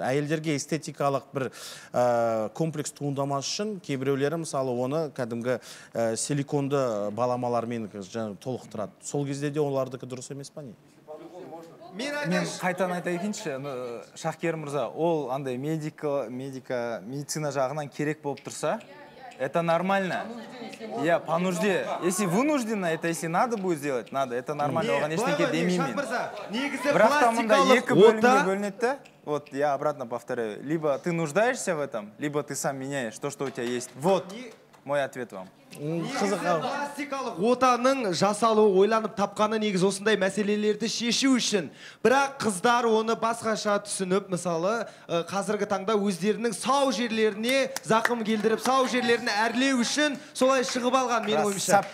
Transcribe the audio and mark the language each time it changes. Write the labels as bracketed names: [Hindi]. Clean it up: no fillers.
[Kazakh] Әйелдерге эстетикалық бір комплекс туындамас үшін кейбіреулері мысалы оны кәдімгі силиконды баламалармен толықтырады. Сол кезде де олардыкі дұрыс емес па не? Мен қайтан айта кетейінші, Шахкер мырза, ол андай медицина жағынан керек болып тұрса, [Russian] это нормально. Я по нужде. Если вынуждена, это если надо будет сделать, надо. Это нормально. [Kazakh] Оған ештеңке демеймін. Бірақ та мұнда екі бөлімге бөлінеді. [Russian] Вот, я обратно повторяю. Либо ты нуждаешься в этом, либо ты сам меняешь то, что у тебя есть. Вот мой ответ вам. [Kazakh] Пластикалық отаның жасалу ойланып тапқаны негіз осындай мәселелерді шешу үшін. Бірақ қыздар оны басқаша түсініп, мысалы, қазіргі таңда өздерінің сау жерлеріне зақым келдіріп, сау жерлерін әрлеу үшін солай шығып алған мен ойымша.